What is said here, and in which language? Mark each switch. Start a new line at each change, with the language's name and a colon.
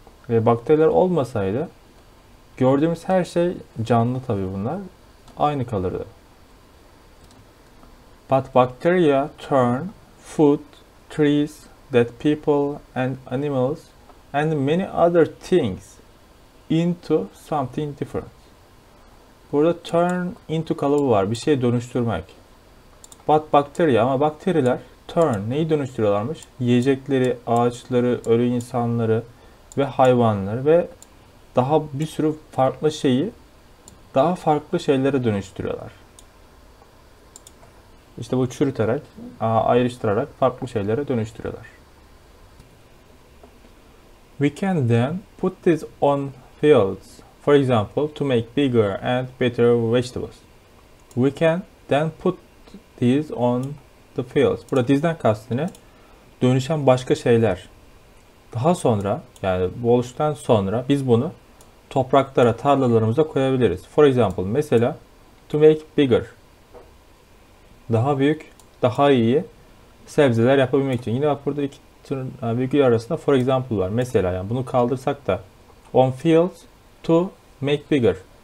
Turkish: Ve bakteriler olmasaydı, gördüğümüz her şey canlı tabii bunlar, aynı kalırdı.
English: But bacteria turn food, trees, dead people and animals and many other things into something different.
Turkish: Burada turn into kalıbı var. Bir şeye dönüştürmek.
English: But bacteria
Turkish: ama bakteriler
English: turn
Turkish: neyi dönüştürüyorlarmış? Yiyecekleri, ağaçları, ölü insanları ve hayvanları ve daha bir sürü farklı şeyi daha farklı şeylere dönüştürüyorlar. İşte bu çürüterek, ayrıştırarak farklı şeylere dönüştürüyorlar.
English: We can then put this on fields, for example, to make bigger and better vegetables. We can then put these on the fields.
Turkish: Burada this'den kastı ne? Dönüşen başka şeyler. Daha sonra, yani bu oluştuktan sonra biz bunu topraklara, tarlalarımıza koyabiliriz.
English: For example,
Turkish: mesela
English: to make bigger.
Turkish: Daha büyük, daha iyi sebzeler yapabilmek için. Yine bak burada iki virgül arasında for example var. Mesela yani bunu kaldırsak da
English: on fields to make bigger.